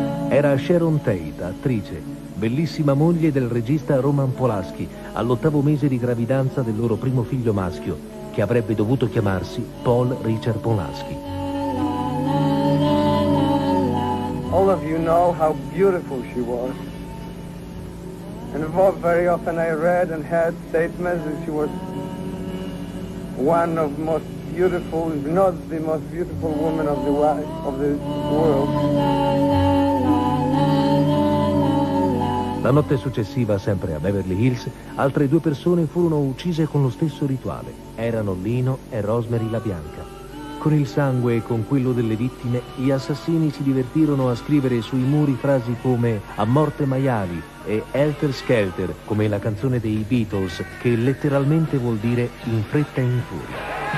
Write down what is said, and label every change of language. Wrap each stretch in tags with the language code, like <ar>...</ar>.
<it>Era Sharon Tate, attrice, bellissima moglie del regista Roman Polanski, all'ottavo mese di gravidanza del loro primo figlio maschio, che avrebbe dovuto chiamarsi Paul Richard Polanski.</it> <en>All of you know how beautiful she was. And very often I read and heard statements that she was one of the most beautiful, if not the most beautiful woman of the world.</en> <it>La notte successiva, sempre a Beverly Hills, altre due persone furono uccise con lo stesso rituale. Erano Lino e Rosemary La Bianca. Con il sangue e con quello delle vittime, gli assassini si divertirono a scrivere sui muri frasi come "A morte maiali" e "Helter Skelter", come la canzone dei Beatles, che letteralmente vuol dire "in fretta e in furia".</it>